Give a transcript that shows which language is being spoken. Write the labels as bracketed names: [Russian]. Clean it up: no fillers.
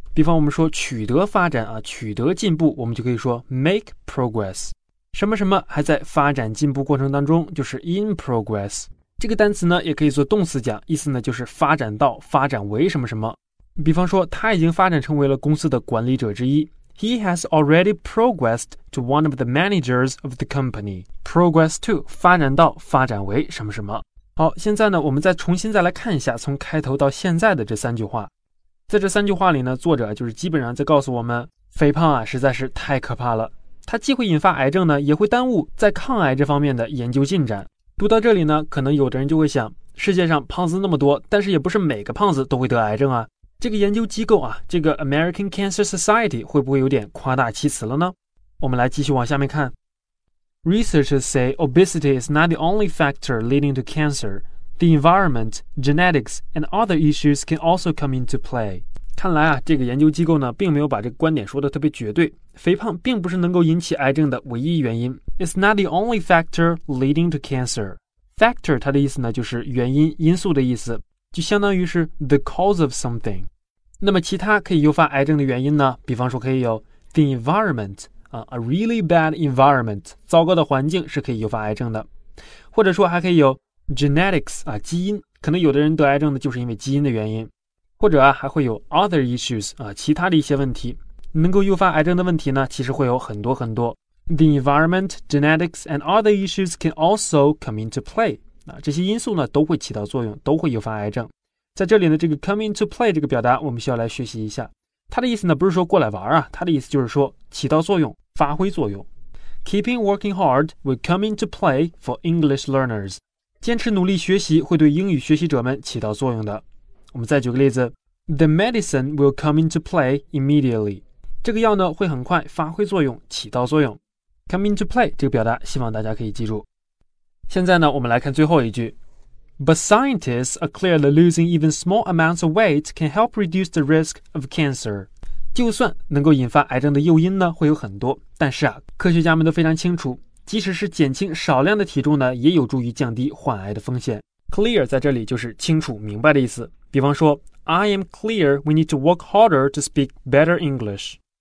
[Chinese] 比方我们说取得发展啊，取得进步，我们就可以说 make progress。什么什么还在发展进步过程当中，就是 in progress。这个单词呢也可以做动词讲，意思呢就是发展到发展为什么什么。比方说他已经发展成为了公司的管理者之一。 [English] He has already progressed to one of the managers of the company. [Chinese] Progress to, 发展到发展为什么什么。好，现在呢我们再重新再来看一下从开头到现在的这三句话。在这三句话里呢，作者就是基本上在告诉我们，肥胖啊实在是太可怕了，它既会引发癌症呢，也会耽误在抗癌这方面的研究进展。读到这里呢，可能有的人就会想，世界上胖子那么多，但是也不是每个胖子都会得癌症啊，这个研究机构啊，这个 American Cancer Society 会不会有点夸大其词了呢？我们来继续往下面看。 [English] Researchers say obesity is not the only factor leading to cancer. The environment, genetics, and other issues can also come into play. [Chinese] 看来啊，这个研究机构呢，并没有把这个观点说得特别绝对。肥胖并不是能够引起癌症的唯一原因。 [English] It's not the only factor leading to cancer. [Chinese] Factor 它的意思呢，就是原因、因素的意思，就相当于是 [English] the cause of something. [Chinese] 那么其他可以诱发癌症的原因呢？比方说可以有 [English] the environment,a really bad environment, [Chinese] 糟糕的环境是可以诱发癌症的。或者说还可以有 genetics, 啊基因，可能有的人得癌症的就是因为基因的原因。或者啊还会有 other issues, 啊其他的一些问题。能够诱发癌症的问题呢其实会有很多很多。 [English] The environment, genetics, and other issues can also come into play. [Chinese] 啊这些因素呢都会起到作用，都会诱发癌症。在这里呢这个 come into play 这个表达我们需要来学习一下。他的意思呢不是说过来玩啊，他的意思就是说起到作用，发挥作用。 [English] Keeping working hard will come into play for English learners. [Chinese] 坚持努力学习会对英语学习者们起到作用的。我们再举个例子。 [English] The medicine will come into play immediately. [Chinese] 这个药呢会很快发挥作用，起到作用。 Come into play 这个表达希望大家可以记住。现在呢我们来看最后一句。 [English] But scientists are clear that losing even small amounts of weight can help reduce the risk of cancer. [Chinese] 就算能够引发癌症的诱因呢会有很多，但是啊，科学家们都非常清楚，即使是减轻少量的体重呢也有助于降低患癌的风险。 [English] Clear [Chinese] 在这里就是清楚明白的意思。比方说 [English] I am clear we need to work harder to speak better English.